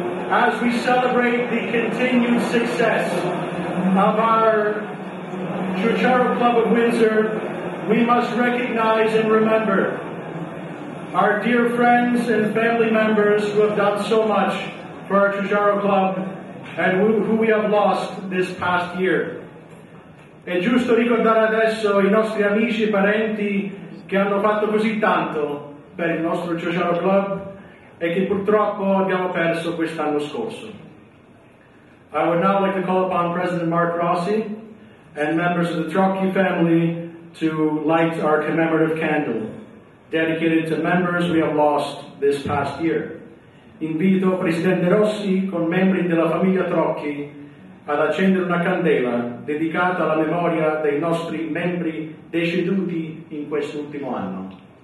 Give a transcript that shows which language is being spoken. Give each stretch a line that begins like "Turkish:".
English: as we celebrate the continued success of our Ciociaro Club of Windsor, we must recognize and remember our dear friends and family members who have done so much for our Ciociaro Club and who we have lost this past year.
Italian: È giusto ricordare adesso i nostri amici e parenti che hanno fatto così tanto per il nostro Ciociaro Club e che purtroppo abbiamo perso quest'anno scorso.
English: I would now like to call upon President Mark Rossi and members of the Trocchi family to light our commemorative candle dedicated to members we have lost this past year.
Italian: Invito Presidente Rossi con membri della famiglia Trocchi ad accendere una candela dedicata alla memoria dei nostri membri deceduti in quest'ultimo anno.